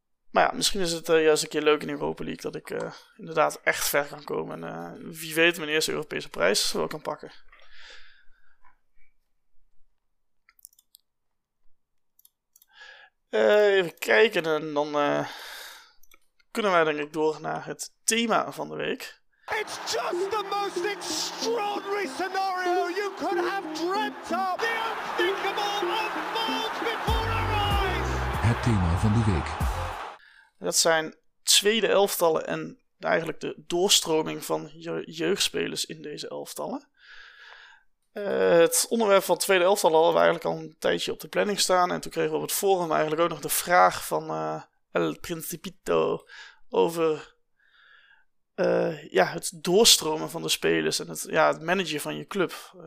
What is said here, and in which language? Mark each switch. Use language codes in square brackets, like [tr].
[nl] Maar ja, misschien is het juist een keer leuk in de Europa League dat ik inderdaad echt ver kan komen. En wie weet mijn eerste Europese prijs wel kan pakken. Even kijken en dan kunnen wij denk ik door naar het thema van de week. [en] It's just the most extraordinary scenario you could have dreamt of. The unthinkable unfolds before our eyes. [nl] Het thema van de week. Dat zijn tweede elftallen en eigenlijk de doorstroming van jeugdspelers in deze elftallen. Het onderwerp van tweede elftal hadden we eigenlijk al een tijdje op de planning staan. En toen kregen we op het forum eigenlijk ook nog de vraag van El Principito over het doorstromen van de spelers en het managen van je club.